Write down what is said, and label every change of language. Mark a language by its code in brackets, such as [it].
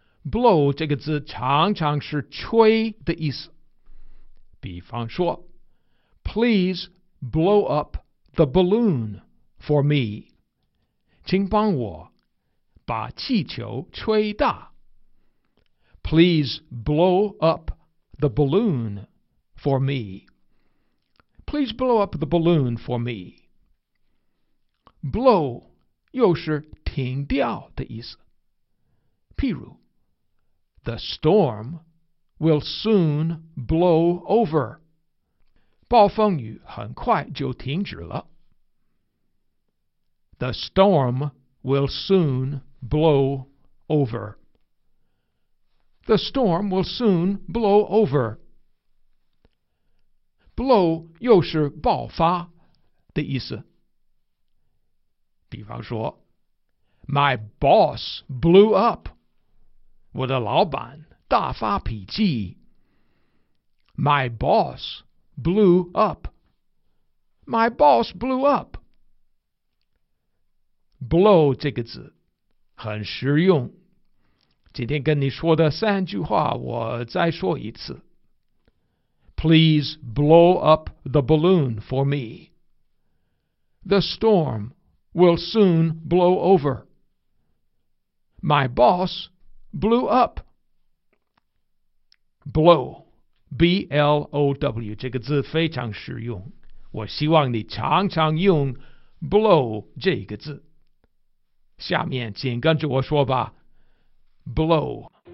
[zh] blow 这个字常常是吹的意思。比方说 [en] ,please blow up the balloon for me. [zh] 请帮我把气球吹大。 [en] Please blow up the balloon for me. Please blow up the balloon for me. [zh] Blow 又是停掉的意思。譬如 [en] The storm will soon blow over. [zh] 暴风雨很快就停止了。 [en] The storm will soon blow over. The storm will soon blow over. [zh] Blow 又是爆发的意思。比方说 [en] My boss blew up. [zh] 我的老板大发脾气。 [en] My boss blew up. My boss blew up. [zh] Blow 这个字很实用。今天跟你说的三句话我再说一次。 [en] Please blow up the balloon for me. The storm will soon blow over. My boss blew up. [zh] Blow, B-L-O-W, 这个字非常实用。我希望你常常用 blow 这个字。下面请跟着我说吧。Blow.